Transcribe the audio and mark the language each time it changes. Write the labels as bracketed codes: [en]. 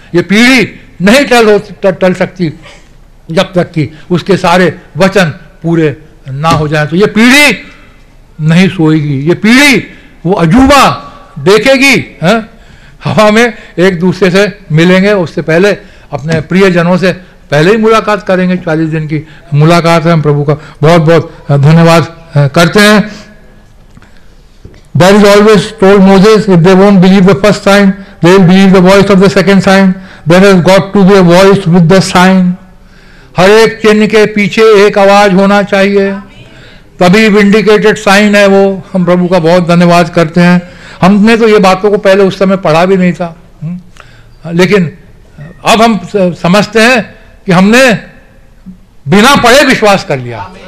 [hi] ये पीढ़ी नहीं टल सकती जब तक कि उसके सारे वचन पूरे ना हो जाएं। तो ये पीढ़ी नहीं सोएगी, ये पीढ़ी वो अजूबा देखेगी है? हवा में एक दूसरे से मिलेंगे, उससे पहले अपने प्रियजनों से पहले ही मुलाकात करेंगे, 40 दिन की मुलाकात है। हम प्रभु का बहुत बहुत धन्यवाद करते हैं। [en] There is always told Moses, if they won't believe the first sign, they will believe the voice of the second sign. There has got to be a voice with the sign. [hi] हर एक चिन्ह के पीछे एक आवाज होना चाहिए, तभी vindicated sign है वो। हम प्रभु का बहुत धन्यवाद करते हैं। हमने तो ये बातों को पहले उस समय पढ़ा भी नहीं था, लेकिन अब हम समझते हैं कि हमने बिना पढ़े विश्वास कर लिया।